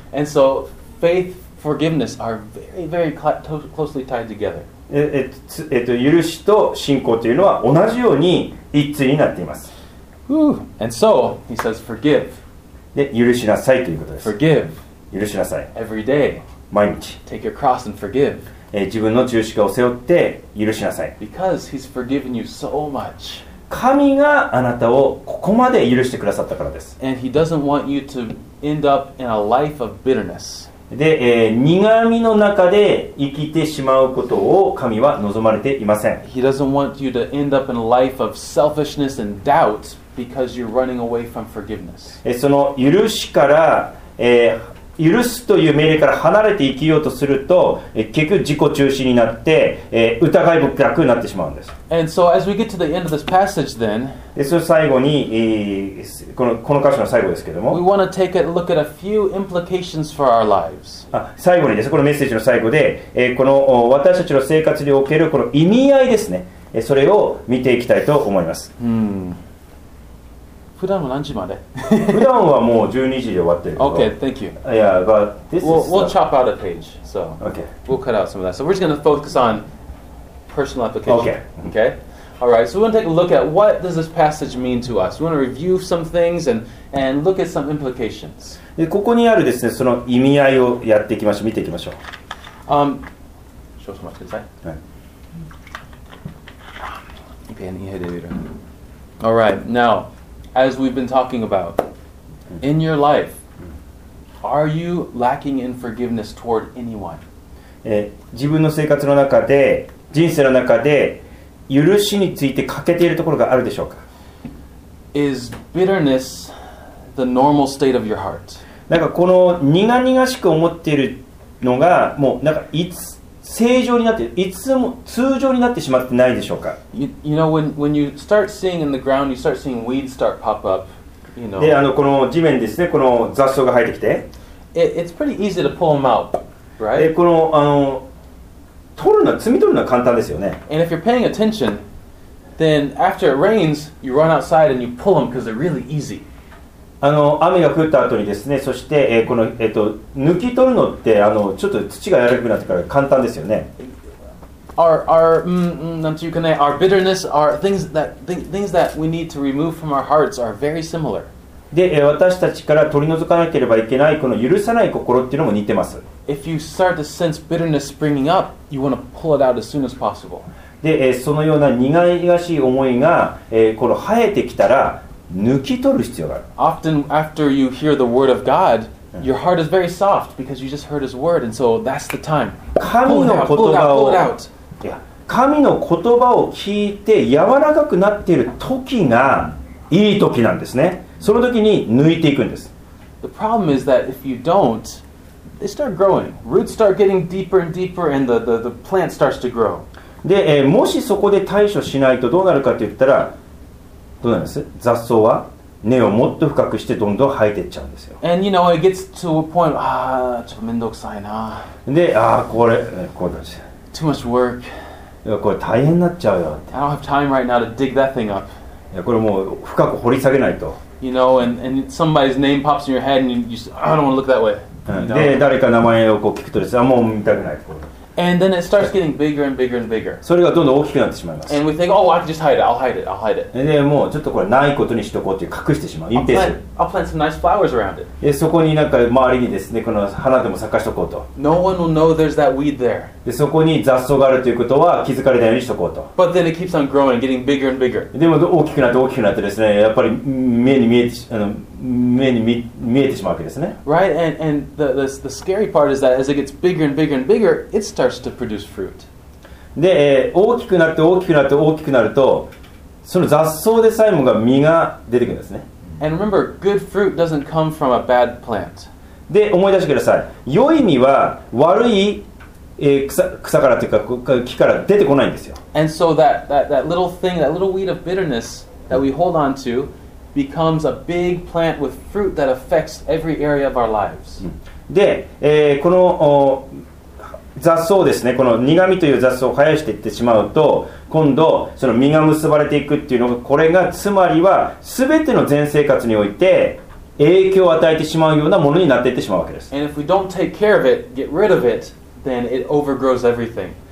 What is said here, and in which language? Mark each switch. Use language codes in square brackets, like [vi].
[en] And so faith, forgiveness are very, very closely tied together. [ja] ええ、許しと信仰というのは同じように一対になっています。 [en] And so he says, forgive. [ja] で、許しなさいということです。 [en] Forgive. [ja] 許しなさい。 [en] Every day. [ja] 毎日。 [en] Take your cross and forgive. [ja] 自分の十字架を背負って許しなさい。 [en] Because he's forgiven you so much. [ja] 神があなたをここまで許してくださったからです。 [en] And he doesn't want you to end up in a life of bitterness. [ja] で、苦みの中で生きてしまうことを神は望まれていません。 [en] He doesn't want you to end up in a life of selfishness and doubt because you're running away from forgiveness. [ja] その許しから、許すという命令から離れて生きようとすると、結局自己中心になって、疑い深くなってしまうんです。 [en] And so as we get to the end of this passage then, [ja] で、その最後に、この箇所の最後ですけども、 [en] we want to take a look at a few implications for our lives. [ja] 最後にですね、このメッセージの最後で、この私たちの生活におけるこの意味合いですね、それを見ていきたいと思います。普段は何時まで？普段はもう12時で終わってるけど。 [en] Okay, thank you. Yeah, but this we'll, is... We'll chop out a page, so... Okay. We'll cut out some of that. So we're just going to focus on personal application. Okay. Okay? All right, so we're going to take a look at what does this passage mean to us. We want to review some things and look at some implications. [ja] で、ここにあるですね、その意味合いをやっていきましょう。見ていきましょう。少々お待ちください。はい。一遍に入れる。 [en] All right, now... As we've been talking about, in your life, are you lacking in forgiveness toward anyone? [ja] 自分の生活の中で、人生の中で、許しについて欠けているところがあるでしょうか? [en] Is bitterness the normal state of your heart? [ja] なんかこの苦々しく思っているのが、もうなんかいつ正常になって、いつも通常になってしまってないでしょうか。 [en] You know, when you start seeing in the ground, you start seeing weeds start pop up, you know. [ja] で、この地面ですね、この雑草が生えてきて。 [en] It's pretty easy to pull them out, right? [ja] で、この、取るのは、摘み取るのは簡単ですよね。 [en] And if you're paying attention, then after it rains, you run outside and you pull them because they're really easy. [ja] 雨が降った後にですね、そして、この、抜き取るのってちょっと土が柔らかくなってから簡単ですよね。 [en] Our bitterness, our things that we need to remove from our hearts are very similar. [ja] で、私たちから取り除かなければいけないこの許さない心っていうのも似てます。 [en] If you start to sense bitterness springing up, you want to pull it out as soon as possible. [ja] で、そのような苦々しい思いが、この生えてきたら。抜き取る必要がある。 [en] Often after you hear the word of God, your heart is very soft because you just heard His word, and so that's the time. [ja] 神の言葉を、 [en] pull it out, pull it out. [ja] 神の言葉を聞いて柔らかくなっている時がいい時なんですね。その時に抜いていくんです。 [en] The problem is that if you don't, they start growing. Roots start getting deeper and deeper, and the plant starts to grow. [ja] で、もしそこで対処しないとどうなるかといったら。どうなんです雑草は根をもっと深くしてどんどん生えていっちゃうんですよ。 [en] And you know, it gets to a point, [ja] ちょっとめんどくさいな。で、これ、こうだし。 [en] Too much work. [ja] これ大変になっちゃうよって。 [en] I don't have time right now to dig that thing up. [ja] いや、これもう深く掘り下げないと。 [en] You know, and somebody's name pops in your head, and you just, I don't want to look that way. [ja] で、誰か名前をこう聞くとですね、もう見たくないと。 [en] And then it starts getting bigger and bigger and bigger. [ja] それがどんどん大きくなってしまいます。 [en] And we think, oh, I can just hide it. I'll hide it. I'll hide it. [ja] で、もうちょっとこれないことにしとこうって隠してしまう。隠蔽する。 [en] I'll plant some nice flowers around it. [ja] で、そこになんか周りにですね、この花でも咲かしとこうと。 [en] No one will know there's that weed there. [ja] で、そこに雑草があるということは気づかれないようにしとこうと。 [en] But then it keeps on growing, getting bigger and bigger. [ja] でも大きくなって大きくなってですね、やっぱり目に見えてしまうわけですね。 [en] Right, and the scary part is that as it gets bigger and bigger and bigger, it starts to produce fruit. [ja] で、大きくなって大きくなって大きくなると、その雑草でさえもが実が出てくるんですね。 [en] And remember, good fruit doesn't come from a bad plant. [ja] で、思い出してください。良い実は悪い、草からというか木から出てこないんですよ。 [en] And so that little thing, that little weed of bitterness that we hold on to,becomes a big plant with fruit that affects every area of our lives. [ja] で、この雑草ですね、この苦味という雑草を生やしていってしまうと、今度その実が結ばれていくっていうのが、これがつまりは全ての全生活において影響を与えてしまうようなものになっていってしまうわけです。 [en] And if we don't take care of it, get rid of it, then it overgrows everything.